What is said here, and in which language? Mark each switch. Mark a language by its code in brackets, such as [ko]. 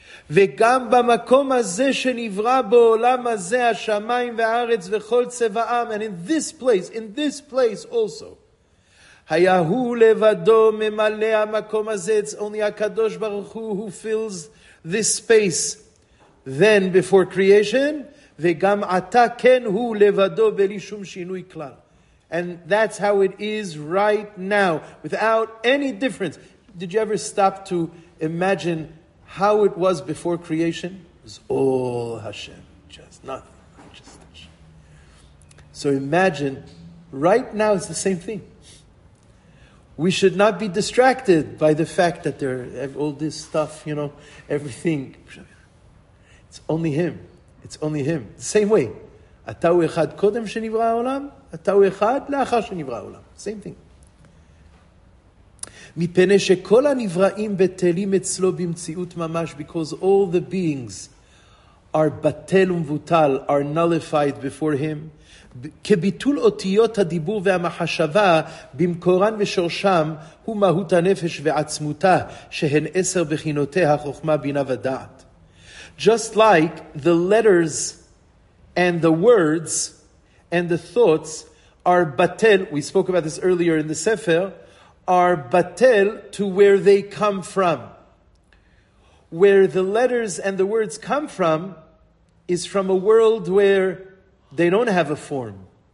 [he] וגם במקום הזה שנברא בעולם הזה השמיים והארץ וכל צבעם, [en] and in this place also, [he] היה הוא לבדו ממלא המקום הזה, [en] it's only [he] הקדוש ברוך הוא [en] who fills this space, then before creation, [he] וגם עתה כן הוא לבדו בלי שום שינוי כלל. [en] And that's how it is right now, without any difference. Did you ever stop to imagine how it was before creation? It was all Hashem, just nothing, just Hashem. So imagine, right now it's the same thing. We should not be distracted by the fact that there are all this stuff, you know, everything. It's only Him. It's only Him. The same way. [he] Atahu echad kodem shenivra olam, [en] atahu echad leachar shenivra olam. Same thing. [he] מפני שכל הנבראים בטלים אצלו במציאות ממש, [en] because all the beings are [he] בטל ומבוטל, [en] are nullified before Him, [he] כביטול אותיות הדיבור והמחשבה במקורן ושורשם הוא מהות הנפש ועצמותה שהן עשר בחינותיה חוכמה בינה ודעת. [en] Just like the letters and the words and the thoughts are בטל, we spoke about this earlier in the Sefer, are batel to where they come from. Where the letters and the words come from is from a world where they don't have a form.